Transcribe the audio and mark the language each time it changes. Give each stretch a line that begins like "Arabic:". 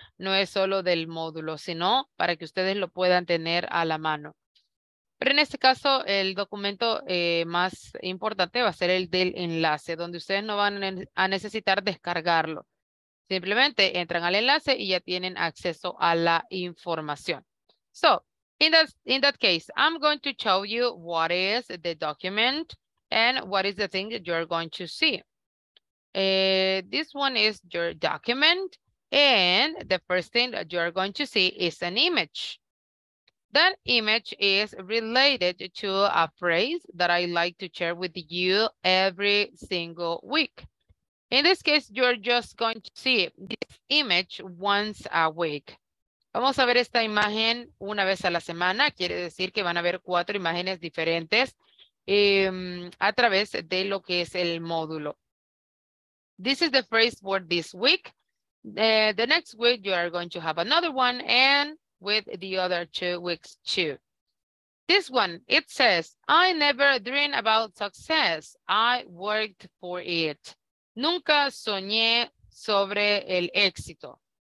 Spanish: No es solo del módulo, sino para que ustedes lo puedan tener a la mano. Pero en este caso, el documento más importante va a ser el del enlace, donde ustedes no van a necesitar descargarlo. Simplemente entran al enlace y ya tienen acceso a la información.
English: So, in that case, I'm going to show you what is the document and what is the thing that you're going to see. This one is your document, and the first thing that you're going to see is an image. That image is related to a phrase that I like to share with you every single week. In this case, you're just going to see this image once a week.
Spanish: Vamos a ver esta imagen una vez a la semana. Quiere decir que van a ver 4 imágenes diferentes a través de lo que es el módulo.
English: This is the phrase for this week. The next week, you are going to have another one and with the other 2 weeks too. This one, it says, I never dreamed about success. I worked for it.
Spanish: Nunca soñé sobre el éxito.